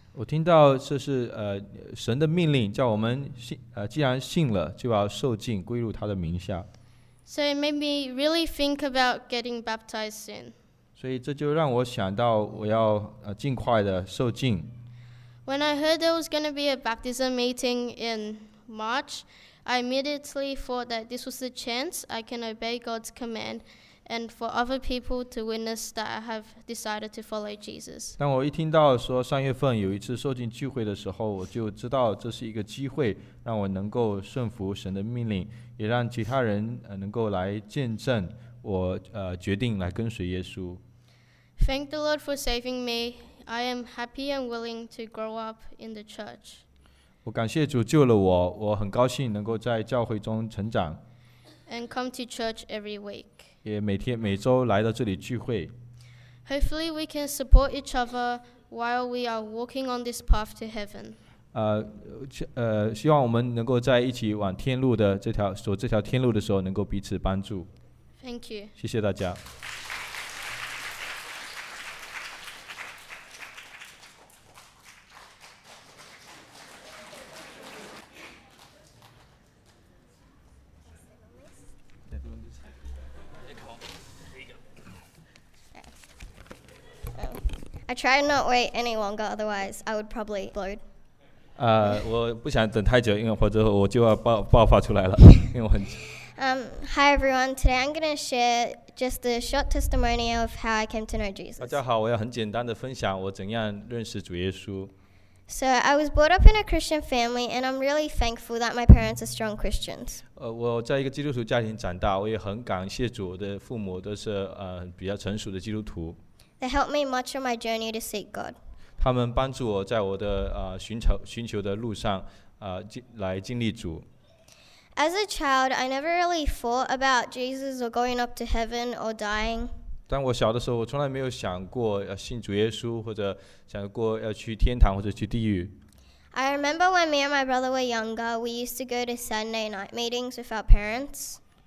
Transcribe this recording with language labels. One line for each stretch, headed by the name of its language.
Chinese: 我听到这是神的命令，叫我们既然信了，就要受浸归入他的名下。
English: So it made me really think about getting baptized soon.
Chinese: 所以这就让我想到我要尽快的受浸。
English: When I heard there was going to be a baptism meeting in March, I immediately thought that this was the chance I can obey God's command and for other people to witness that I have decided to follow Jesus.
Chinese: 当我一听到说三月份有一次受浸聚会的时候，我就知道这是一个机会，让我能够顺服神的命令，也让其他人能够来见证我决定来跟随耶稣。
English: Thank the Lord for saving me. I am happy and willing to grow up in the church.
Chinese: 我感谢主救了我，我很高兴能够在教会中成长。
English: And come to church every week.
Chinese: 也每周来到这里聚会。
English: Hopefully we can support each other while we are walking on this path to heaven.
Chinese: 希望我们能够在一起往天路的走这条天路的时候能够彼此帮助。
English: Thank you.
Chinese: 谢谢大家。
English: I try not wait any longer, otherwise I would probably explode.
Chinese: 我不想等太久，因为或者我就要爆发出来了，因为我很。
English: Hi everyone. Today I'm going to share just a short testimony of how I came to know Jesus.
Chinese: 大家好，我要很简单的分享我怎样认识主耶稣。
English: So I was brought up in a Christian family, and I'm really thankful that my parents are strong Christians.
Chinese: 我在一个基督徒家庭长大，我也很感谢主的父母都是比较成熟的基督徒。
English: They helped me much on my journey to seek God.
Chinese: 他们帮助我在我的寻求的路上来经历主。
English: As a child, I never really thought about Jesus or going up to heaven or dying.
Chinese: 当我小的时候，我从来没有想过要信主耶稣，或者想过要去天堂或者去地狱。
English: I remember when me and my brother were younger, we used to go to Sunday night meetings with our parents.